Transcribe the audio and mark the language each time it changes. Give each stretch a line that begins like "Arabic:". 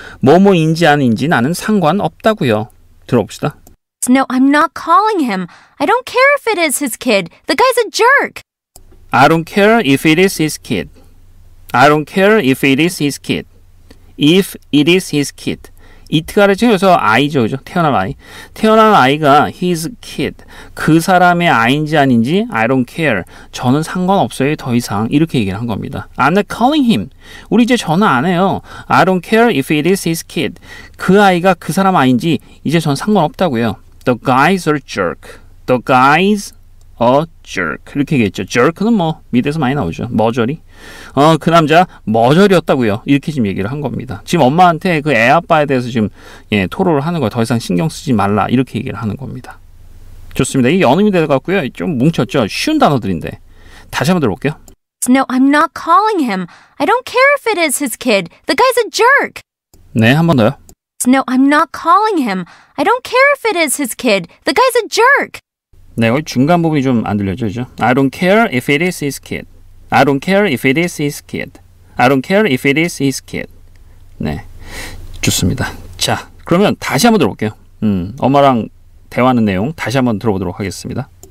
Korean: 뭐뭐인지 아닌지 나는 상관없다고요. 들어봅시다.
English: No, I'm not calling him. I don't care if it is his kid. The guy's a jerk. I don't care if it is his kid. I don't care if it is his kid. If it is his kid.
Korean: It 가르쳐 여기서 아이죠, 그죠? 태어난 아이. 태어난 아이가 his kid. 그 사람의 아이인지 아닌지
English: I don't care.
Korean: 저는 상관없어요, 더 이상. 이렇게 얘기를 한 겁니다.
English: I'm not calling him.
Korean: 우리 이제 전화 안 해요.
English: I don't care if it is his kid.
Korean: 그 아이가 그 사람 아이인지 이제 전 상관없다고요.
English: The guy's a jerk. The guy's a jerk. 이렇게 얘기했죠.
Korean: Jerk는 뭐 미드에서 많이 나오죠. 머저리. 그 남자 머저리였다고요. 이렇게 지금 얘기를 한 겁니다. 지금 엄마한테 그 애 아빠에 대해서 지금 예, 토로를 하는 거예요. 더 이상 신경 쓰지 말라 이렇게 얘기를 하는 겁니다. 좋습니다. 이게 연음이 돼갖고요. 좀 뭉쳤죠. 쉬운 단어들인데 다시 한번 들어볼게요.
English: No, I'm not calling him. I don't care if it is his kid. The guy's a jerk.
Korean: 네, 한 번 더요.
English: No, I'm not calling him. I don't care if it is his kid. The guy's a jerk.
Korean: 네, 여기 중간 부분이 좀 안 들려죠, 그죠?
English: I don't care if it is his kid. I don't care if it is his kid. I don't care if it is his kid.
Korean: 네, 좋습니다. 자, 그러면 다시 한번 들어볼게요. 엄마랑 대화하는 내용 다시 한번 들어보도록 하겠습니다.